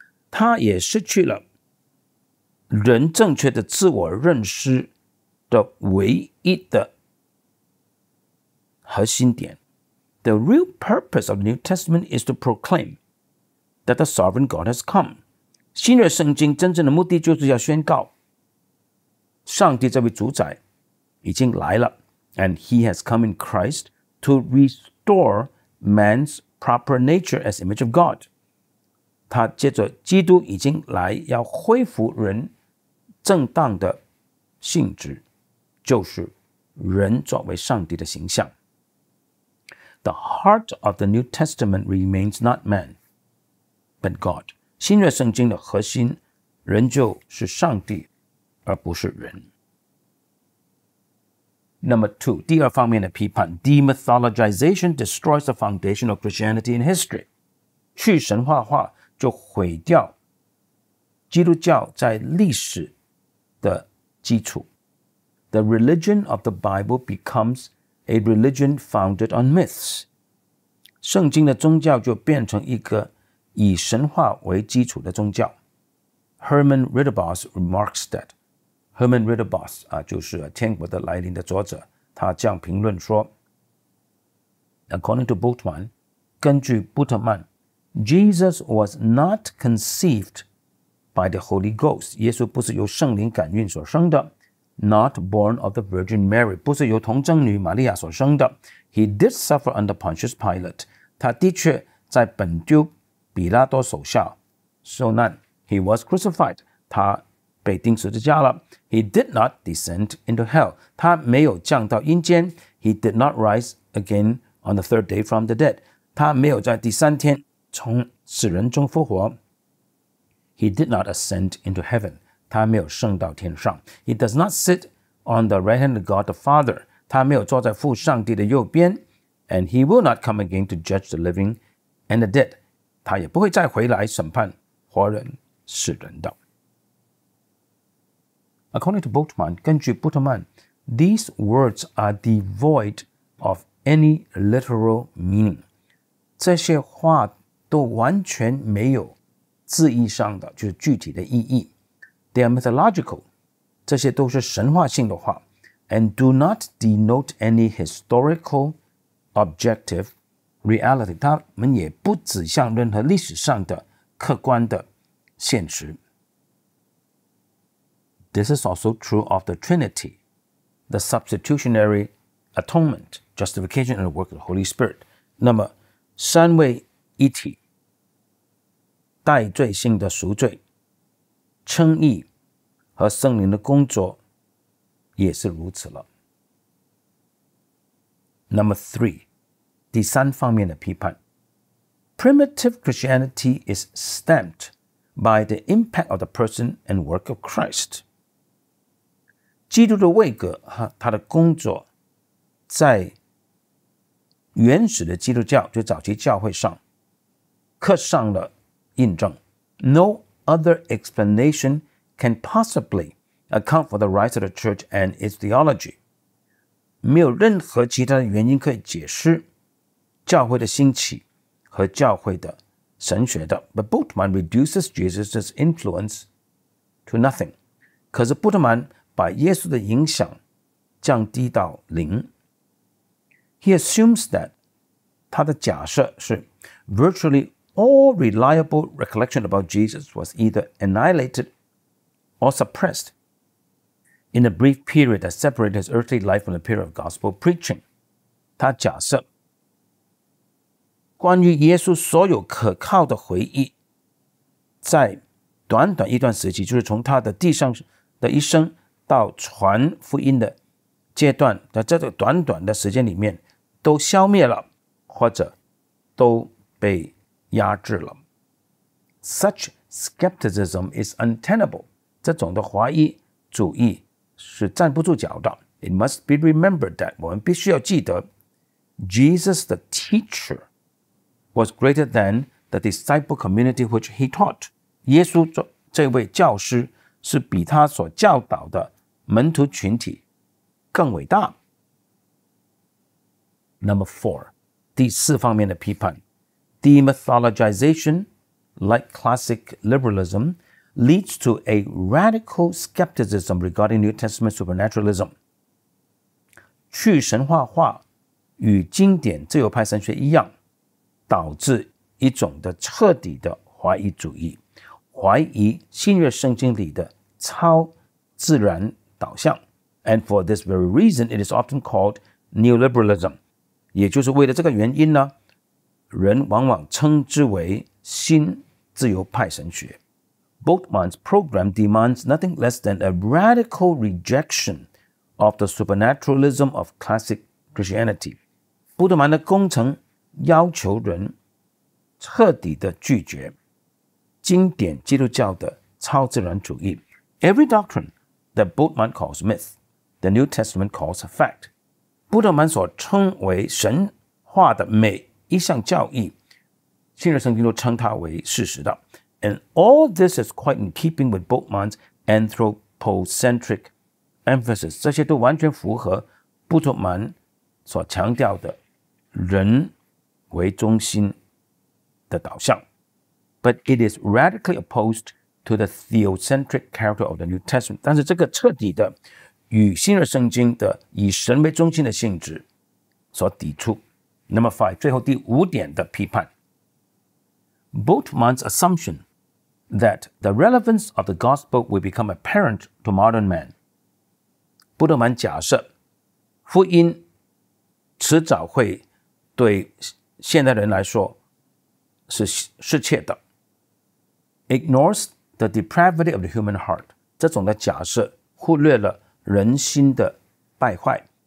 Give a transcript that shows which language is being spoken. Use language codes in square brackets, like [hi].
[zh] 他也失去了人正确的自我认识的唯一的核心点。 [en] The real purpose of the New Testament is to proclaim that the sovereign God has come. [zh] 新约圣经真正的目的就是要宣告上帝这位主宰已经来了， [en] and he has come in Christ to restore man's proper nature as image of God. [zh] 他借着基督已经来要恢复人正当的性质就是人作为上帝的形象。 [en] The heart of the New Testament remains not man, but God. [zh] 新约圣经的核心仍旧是上帝而不是人。 [en] Number two, [zh] 第二方面的批判 [en] Demythologization destroys the foundation of Christianity in history. [zh] 去神化化就毁掉基督教在历史的基础。 [en] The religion of the Bible becomes a religion founded on myths. [zh] 圣经的宗教就变成一个以神话为基础的宗教。 [en] Hermann Riddebaugh remarks that, Hermann Riddebaugh, [zh] 就是天国的来临的作者，他这样评论说， [en] According to Bultmann, [zh] 根据布特曼， [en] Jesus was not conceived by the Holy Ghost. [zh] 耶稣不是由圣灵感孕所生的。 [en] Not born of the Virgin Mary, [zh] 不是由童贞女玛利亚所生的。 [en] He did suffer under Pontius Pilate. [zh] 他的确在本丢比拉多手下受难。 [en] He was crucified. [zh] 他被钉十字架了。 [en] He did not descend into hell. [zh] 他没有降到阴间。 [en] He did not rise again on the third day from the dead. [zh] 他没有在第三天从死人中复活。 [en] He did not ascend into heaven. [zh] 他没有升到天上。 [en] He does not sit on the right hand of God the Father. [zh] 他没有坐在父上帝的右边。 [en] And he will not come again to judge the living and the dead. [zh] 他也不会再回来审判活人死人的。 [en] According to Bultmann, [zh] 根据布特曼， [en] these words are devoid of any literal meaning. [zh] 这些话都完全没有字义上的，就是具体的意义。 [en] They are mythological, [zh] 这些都是神话性的话 [en] and do not denote any historical objective reality. [zh] 它们也不指向任何历史上的客观的现实。 [en] This is also true of the Trinity, the substitutionary atonement, justification and the work of the Holy Spirit. [zh] 那么三位一体，代罪性的赎罪，称义和圣灵的工作也是如此了。 [en] Number three, [zh] 第三方面的批判。 [en] Primitive Christianity is stamped by the impact of the person and work of Christ. [zh] 基督的位格和他的工作在原始的基督教，就早期教会上，刻上了印证。 [en] No other explanation can possibly account for the rise of the church and its theology. [zh] 没有任何其他原因可以解释教会的兴起和教会的神学的。 [en] But Bultmann reduces Jesus' influence to nothing. [zh] 可是布特曼把耶稣的影响降低到零。 [en] He assumes that, [zh] 他的假设是 [en] virtually all reliable recollection about Jesus was either annihilated or suppressed in a brief period that separated his earthly life from the period of gospel preaching. [zh] 他假设关于耶稣所有可靠的回忆在短短一段时期，就是从他的地上的一生到传福音的阶段，在这个短短的时间里面都消灭了或者都被压制了。 [en] Such skepticism is untenable. [zh] 这种的怀疑主义是站不住脚的。 [en] It must be remembered that, [zh] 我们必须要记得， [en] Jesus the teacher was greater than the disciple community which he taught. [zh] 耶稣这位教师是比他所教导的门徒群体更伟大。 [en] Number four, [zh] 第四方面的批判， [en] Demythologization, like classic liberalismleads to a radical skepticism regarding New Testament supernaturalism. [zh] 去神话化与经典自由派神学一样，导致一种的彻底的怀疑主义，怀疑新约圣经里的超自然导向。 [en] And for this very reason, it is often called neoliberalism. [zh] 也就是为了这个原因呢，人往往称之为新自由派神学。 [en] Bultmann's program demands nothing less than a radical rejection of the supernaturalism of classic Christianity. [zh] 布特曼的工程要求人彻底的拒绝经典基督教的超自然主义。 [en] Every doctrine that Bultmann calls myth, the New Testament calls a fact. [zh] 布特曼所称为神话的每一项教义，新约圣经都称它为事实的。 [en] And all this is quite in keeping with Bultmann's anthropocentric emphasis. [zh] 这些都完全符合布特曼所强调的人为中心的导向。 [en] But it is radically opposed to the theocentric character of the New Testament. [zh] 但是这个彻底的与新约圣经的以神为中心的性质所抵触。 [en] Number five, [zh] 最后第五点的批判。 [en] Bultmann's assumption that the relevance of the gospel will become apparent to modern man. [zh] 布特曼假设福音迟早会对现代人来说是世切的。 [en] Ignores the depravity of the human heart. [zh] 这种的假设忽略了人心的败坏。